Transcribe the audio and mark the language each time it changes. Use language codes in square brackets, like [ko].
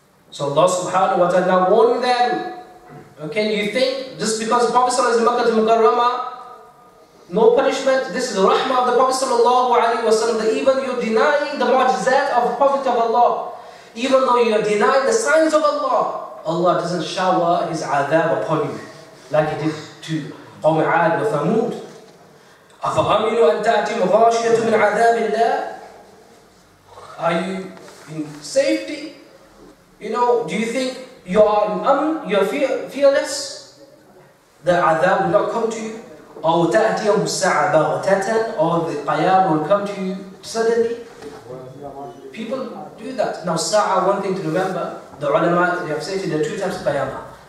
[en] So Allah subhanahu wa ta'ala now warning them. Okay, you think just because the Prophet is in Makkah al-Mukarrama, no punishment, this is the rahmah of the Prophet sallallahu alayhi wa sallam, that even you're denying the mu'jizat of the Prophet of Allah, even though you're denying the signs of Allah, Allah doesn't shower His adab upon you like He did to Qawm Aad and Thamud. [ar] أَفَأَمِنُوا أَن تَأْتِمْ غَاشِيَةٌ مِنْ عَذَابِ اللَّهِ [en] Are you in safety? You know, do you think you are in amn, you are fearless? The adab will not come to you. [ar] أَوْ تَأْتِيَهُ السَّعَ بَغْتَةً [en] Or the qiyam will come to you suddenly. People do that. Now, sa'a, one thing to remember. The ulama, they have said there are two types of qiyama.